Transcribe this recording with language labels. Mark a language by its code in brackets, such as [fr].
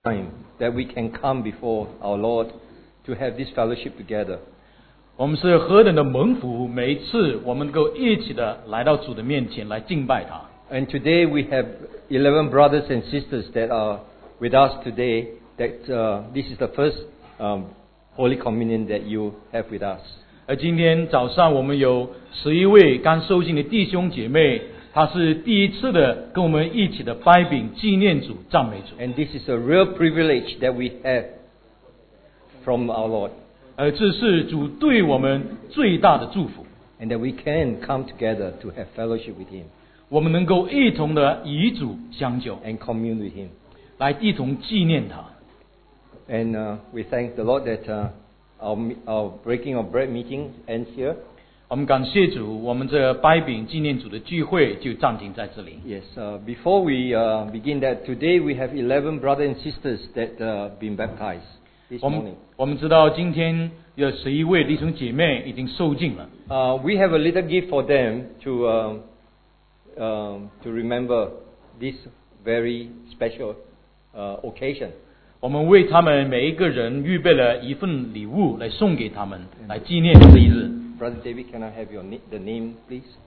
[en] time that we can come before our Lord to have this fellowship together. [zh] 我们是何等的蒙福，每一次我们能够一起的来到主的面前来敬拜他。 [en] And today we have 11 brothers and sisters that are with us today. This is the first Holy Communion that you have with us. [zh] 今天早上我们有11位刚受浸的弟兄姐妹，他是第一次的跟我们一起的掰饼纪念主、赞美主。 [en] And this is a real privilege that we have from our Lord. [zh] 这是主对我们最大的祝福。 [en] And that we can come together to have fellowship with Him. [zh] 我们能够一同的与主相救 [en] and commune with him. [zh] 来一同纪念他 [en] and we thank the Lord that our breaking of bread meeting ends here. [zh] 我们感谢主，我们这掰饼纪念主的聚会就暂停在这里。 [en] Yes, before we begin that, today we have 11 brothers and sisters that have been baptized this morning. [zh] 我们知道今天有11位弟兄姐妹已经受浸了。 [en] We have a little gift for them to remember this very special occasion. [zh] 我们为他们每一个人预备了一份礼物来送给他们，来纪念这一日。 [en] Brother David, can I have the name, please?